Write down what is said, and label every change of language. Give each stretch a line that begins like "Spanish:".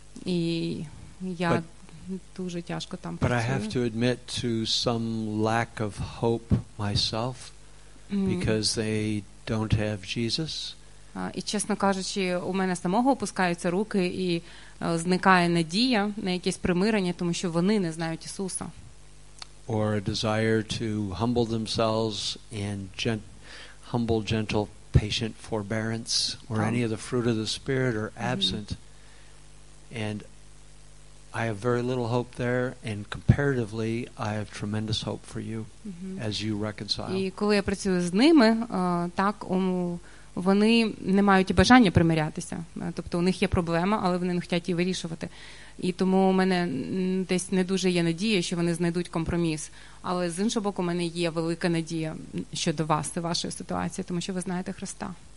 Ukrainian: І я дуже тяжко там працюю.
English: But I have to admit to some lack of hope myself because they don't have Jesus.
Ukrainian: І, чесно кажучи, у мене самого опускаються руки і зникає надія на якесь примирення, тому що вони не знають Ісуса.
English: Or a desire to humble themselves and humble, gentle, patient forbearance or any of the fruit of the Spirit are absent. And I have very little hope there, and comparatively, I have tremendous hope for you as you reconcile.
Ukrainian: І коли я працюю з ними, так, вони не мають і бажання примирятися. Тобто у них є проблема, але вони не хочуть її вирішувати. І тому у мене десь не дуже є надія, що вони знайдуть компроміс. Але з іншого боку, у мене є велика надія щодо вас і вашої ситуації, тому що ви знаєте Христа.